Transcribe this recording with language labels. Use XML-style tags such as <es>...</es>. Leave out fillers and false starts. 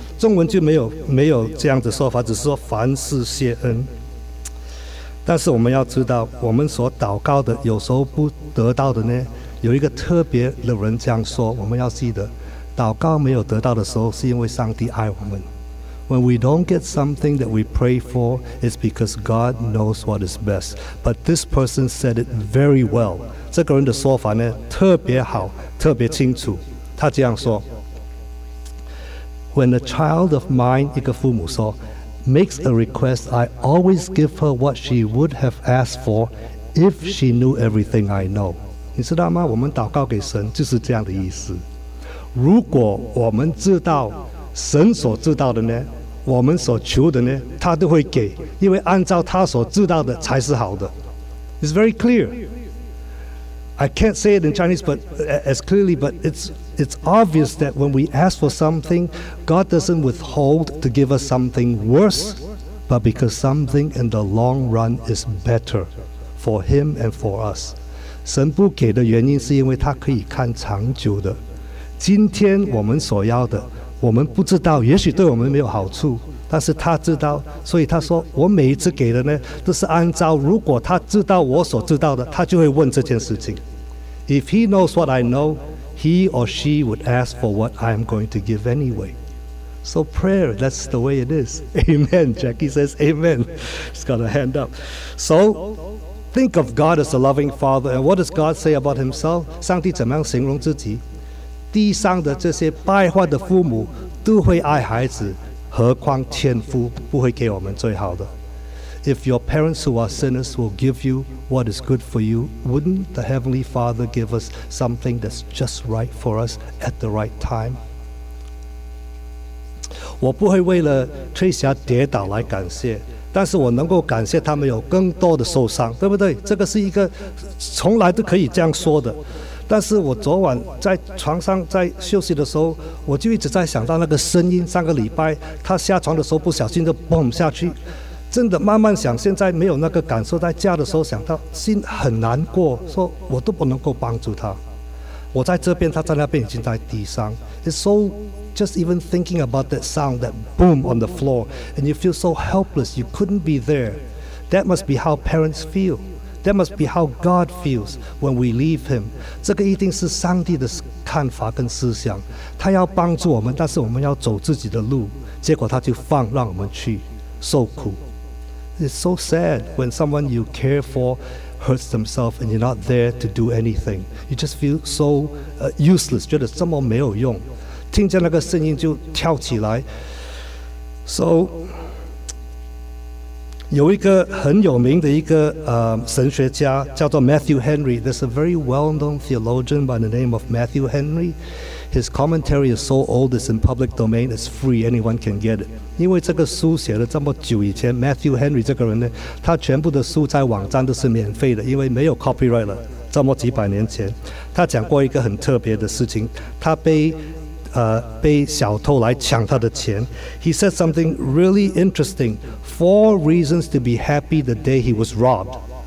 <zh>中文就没有这样的说法，只是说凡事谢恩。但是我们要知道，我们所祷告的有时候不得到的呢，有一个特别的人这样说，我们要记得，祷告没有得到的时候是因为上帝爱我们。</zh> <en>When we don't get something that we pray for, it's because God knows what is best. But this person said it very well.</en> <zh>这个人的说法呢特别好，特别清楚。他这样说，</zh> <en>When a child of mine,</en> <zh>一个父母说</zh> <en>makes a request, I always give her what she would have asked for if she knew everything I know.</en> <zh>你知道吗？我们祷告给神就是这样的意思。如果我们知道神所知道的呢，我们所求的呢，他都会给，因为按照他所知道的才是好的。</zh> <en>It's very clear. I can't say it in Chinese, but as clearly, but It's obvious that when we ask for something, God doesn't withhold to give us something worse, but because something in the long run is better for Him and for us.</en> <zh>神不给的原因是因为他可以看长久的。今天我们所要的，我们不知道，也许对我们没有好处，但是他知道，所以他说，我每一次给的呢，都是按照，如果他知道我所知道的，他就会问这件事情。</zh> <en>If He knows what I know,He or she would ask for what I am going to give anyway. So prayer, that's the way it is. Amen. Jackie says amen. She's got her hand up. So Think of God as a loving father, and what does God say about himself?</en> <zh>上帝怎么样形容自己? 地上的这些败坏的父母都会爱孩子,何况天父不会给我们最好的?</zh> <en>If your parents who are sinners will give you what is good for you, wouldn't the Heavenly Father give us something that's just right for us at the right time?</en> <zh>我不会为了Tricia跌倒来感谢, 但是我能够感谢他们有更多的受伤，对不对？这个是一个从来都可以这样说的。但是我昨晚在床上在休息的时候，我就一直在想到那个声音，上个礼拜他下床的时候不小心就蹦下去，真的慢慢想，现在没有那个感受，在家的时候想到心很难过，说我都不能够帮助他。我在这边，他在那边已经在地上。</zh> <en>It's so just even thinking about that sound, that boom on the floor, and you feel so helpless, you couldn't be there. That must be how parents feel. That must be how God feels when we leave Him.</en> <zh>这个一定是上帝的看法跟思想。他要帮助我们，但是我们要走自己的路，结果他就放让我们去受苦。</zh> <en>It's so sad when someone you care for hurts themselves and you're not there to do anything. You just feel so useless,</en> <zh>觉得这么没有用。听见那个声音就跳起来。</zh> <en>So</en> <zh>有一个很有名的一个神学家叫做</zh> <en>Matthew Henry. There's a very well-known theologian by the name of Matthew Henry. His commentary is so old, it's in public domain, it's free, anyone can get it.</en> <zh>因为这个书写了这么久以前， Matthew Henry这个人呢， 他全部的书在网站都是免费的， 因为没有 copyright了， 这么几百年前。他讲过一个很特别的事情， 他被小偷来抢他的钱。</zh> <en>He said something really interesting. Four reasons to be happy the day he was robbed.</en>